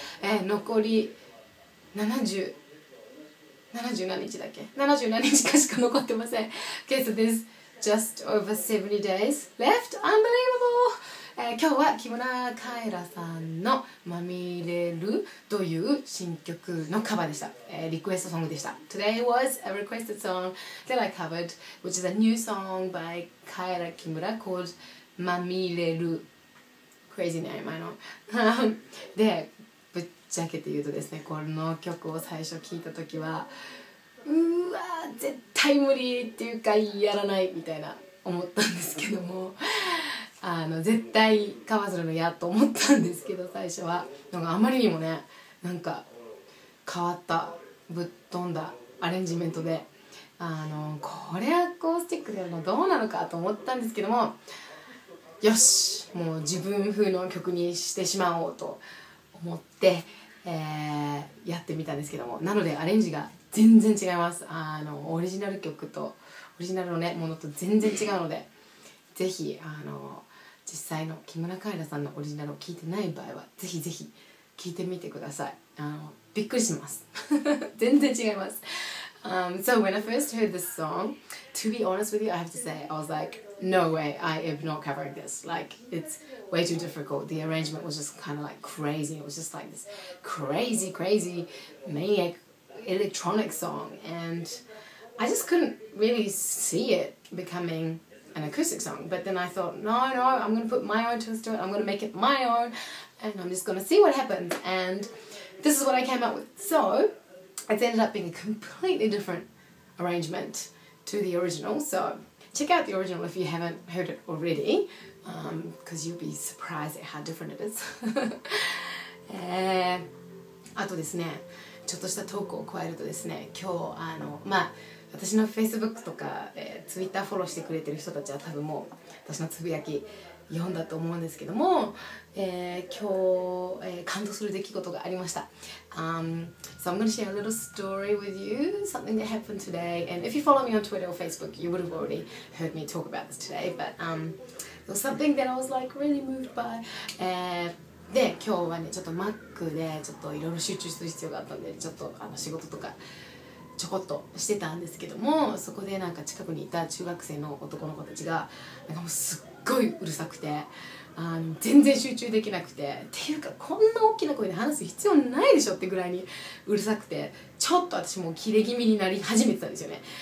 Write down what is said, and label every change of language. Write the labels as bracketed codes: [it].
[ja] 残り70何日かしか残ってません。 [en] Okay, so there's just over 70 days left. Unbelievable! [ja] 今日は木村カエラさんのまみれるという新曲のカバーでした。リクエストソングでした。 [en] Today was a requested song that I covered, which is a new song by カエラ木村 called まみれる。 Crazy name, I know. [ja] でぶっちゃけて言うとですね、この曲を最初聞いた時はうーわー絶対無理っていうかやらないみたいな思ったんですけども、絶対カバーするの嫌と思ったんですけど、最初はなんかあまりにもね、なんか変わったぶっ飛んだアレンジメントで、これアコースティックでやるのどうなのかと思ったんですけども、よしもう自分風の曲にしてしまおうと思って、やってみたんですけども、なのでアレンジが全然違います。オリジナル曲とオリジナルの、ね、ものと全然違うので、ぜひ実際の木村カエラさんのオリジナルを聴いてない場合はぜひぜひ聴いてみてください。びっくりします全然違います。 [en] So when I first heard this song, to be honest with you, I have to say, I was like, no way, I am not covering this. Like, it's way too difficult. The arrangement was just kind of like crazy. It was just like this crazy, crazy, maniac electronic song. And I just couldn't really see it becoming an acoustic song. But then I thought, no, I'm going to put my own twist to it. I'm going to make it my own. And I'm just going to see what happens. And this is what I came up with. So... It's ended up being a completely different arrangement to the original. So check out the original if you haven't heard it already, because you'll be surprised at how different it is. [ja] あとですね、ちょっとしたトークを加えるとですね、今日私の Facebook とか、Twitter フォローしてくれてる人たちは多分もう私のつぶやき読んだと思うんですけども、今日、感動する出来事がありました。 [en] So I'm going to share a little story with you, something that happened today. And if you follow me on Twitter or Facebook, you would have already heard me talk about this today. But it was something that I was like really moved by. [ja] で、今日はね、ちょっと Mac でちょっといろいろ集中する必要があったんで、ちょっと仕事とかちょこっとしてたんですけども、そこでなんか近くにいた中学生の男の子たちが、なんかもうすっごいすごいうるさくて、全然集中できなくて、っていうかこんな大きな声で話す必要ないでしょってぐらいにうるさくて、ちょっと私もキレ気味になり始めてたんですよね。